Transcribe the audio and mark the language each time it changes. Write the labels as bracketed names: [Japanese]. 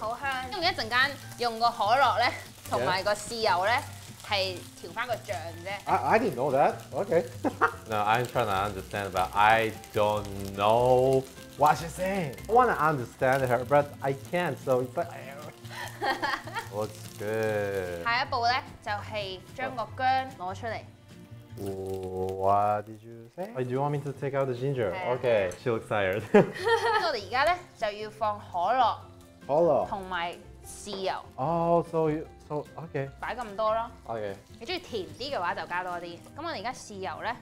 [Cantonese] 好香，因為一陣間用個可樂咧，同埋個豉油咧，係調翻個醬啫。 [English] I didn't know that. Okay. No, I'm trying to understand, but I don't know what she's saying. I want to understand her, but I can't. So, but looks good. [Cantonese] 下一步咧，就係將個薑攞出嚟。 [English] What did you say? Oh, do you want me to take out the ginger? Yeah. Okay, she looks tired. [Cantonese] 我哋而家咧就要放可樂，同埋豉油。 [English] Oh, so okay. [Cantonese] 擺咁多咯。Okay. 你中意甜啲嘅話，就加多啲。咁我哋而家豉油咧。